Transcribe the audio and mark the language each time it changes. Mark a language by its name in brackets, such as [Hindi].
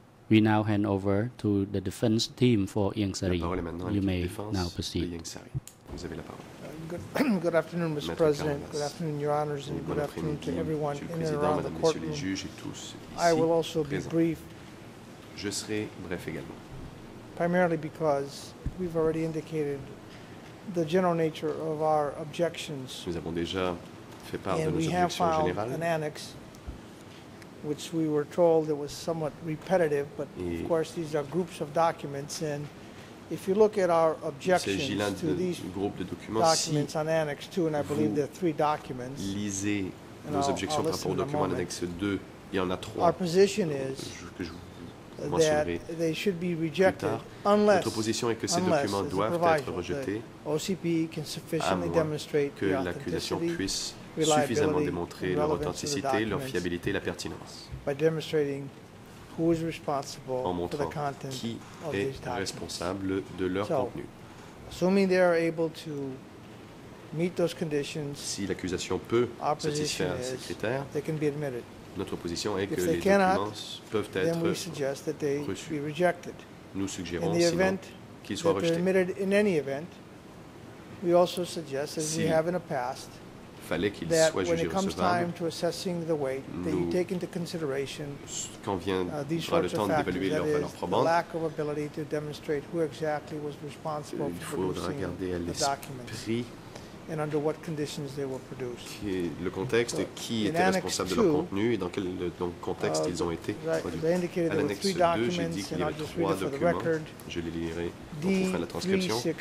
[English] We now hand over to the defense team for Yang Sari. [French] La parole est maintenant à l'équipe de défense de Yang Sari. Vous avez la parole. [English] Good afternoon, Mr. President. Good afternoon, Your Honors, and good afternoon to everyone in and around the courtroom. I will also be brief. [French] Je serai bref également. [English] primarily because we've already indicated the general nature of our objections. [French] Nous avons déjà fait part de nos objections générales. [English] And we have filed an annex, which we were told it was somewhat repetitive, but of course these are groups of documents, and if you look at our objections to these documents on Annex 2, and I believe there are three documents. [French] Lisez nos objections par rapport au document Annex 2. Il y en a trois. [English] Our position is that they should be rejected unless. [French] Notre position est que ces documents doivent être rejetés. [English] OCP can sufficiently demonstrate [French] que l'accusation puisse suffisamment démontrer leur authenticité, leur fiabilité et la pertinence. [English] By demonstrating who is responsible for the content [French] qui est responsable de leur contenu. [English] Assuming they are able to meet those conditions, [French] si l'accusation peut satisfaire ces critères, [English] they can be admitted. [French] Notre position est [English] if [French] que les documents peuvent être reçus. Nous suggérons sinon qu'ils soient rejetés. [English] In any event, we also suggest, as we have in the past, that when it comes time to assessing the weight, that you take into consideration these sorts of factors, that is, the lack of ability to demonstrate who exactly was responsible for producing the documents, and under what conditions they were produced. [French] Le contexte, qui était responsable de leur contenu et dans quel contexte ils ont été produits. [English] As I indicated, there were three documents, and I'll just read it for the record. [French] Je les lirai pour la transcription.